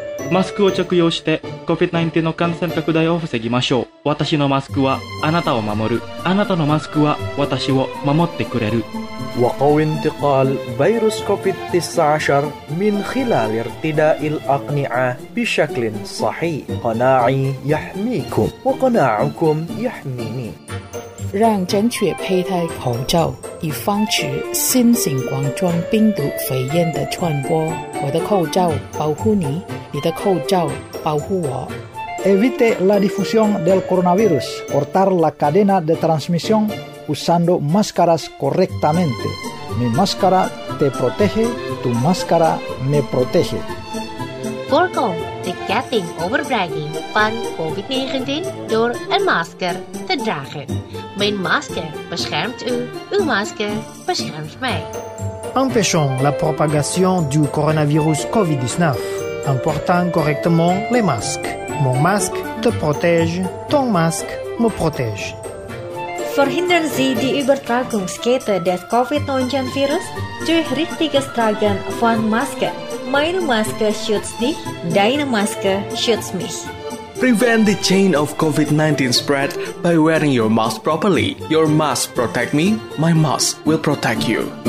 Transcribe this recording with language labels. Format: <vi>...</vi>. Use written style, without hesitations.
<ja>Masku を着用して COVID-19 の感染拡大を防ぎましょう。私のマスクはあなたを守る。あなたのマスクは私を守ってくれる。</ja> <ar>وقو انتقال فيروس COVID-19 من خلال ارتداء الأقنعة بشكل صحيح. قناعي يحميكم وقناعكم يحميني.</ar> <zh>让正确佩戴口罩以防止新型冠状病毒肺炎的传播。我的口罩保护你，你的口罩保护我。</zh> <es>Evite la difusión del coronavirus. Cortar la cadena de transmisión usando máscaras correctamente. Mi máscara te protege, tu máscara me protege.</es> <nl>Voorkom de ketting overdragging van COVID-19 door een masker te dragen. Mijn masker beschermt u, uw masker beschermt mij.</nl> <fr>Empêchons la propagation du coronavirus COVID-19 en portant correctement les masques. Mon masque te protège, ton masque me protège.</fr> <de>Verhindern Sie die Übertragungskette des COVID-19 Virus durch richtiges Tragen von Maske. Meine Maske schützt dich, deine Maske schützt mich.</de> <en>Prevent the chain of COVID-19 spread by wearing your mask properly. Your mask protect me, my mask will protect you.</en>